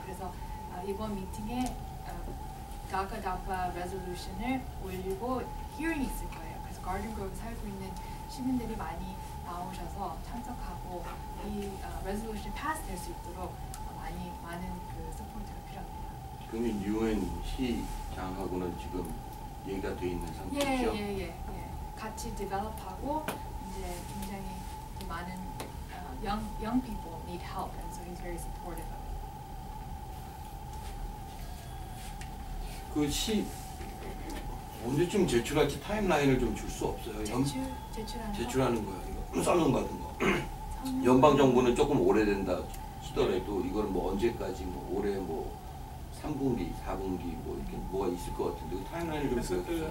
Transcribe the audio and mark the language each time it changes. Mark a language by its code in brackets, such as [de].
[ko] 그래서 이번 미팅에 DACA DAPA Resolution을 올리고 hearing 있을 거예요. 그래서 Garden Grove 살고 있는 시민들이 많이 나오셔서 참석하고 이 Resolution 패스 될 수 있도록 많은 그 support가 필요합니다. 그러면 UN 시장하고는 지금 얘기가 돼 있는 상태죠? 예. 같이 develop하고 이제 굉장히 많은 [en] young people need help and so he's very supportive of it. [ko] 그 시 언제쯤 제출할지 타임라인을 좀 줄 수 없어요. 제출하는 거예요. 선언 받은 거. 연방 정부는 조금 오래된다 하더라도 네. 이거는 뭐 언제까지 뭐 올해 뭐 3분기, 4분기 뭐 이렇게 뭐가 있을 것 같은데 그 타임라인을 좀 보여주세요.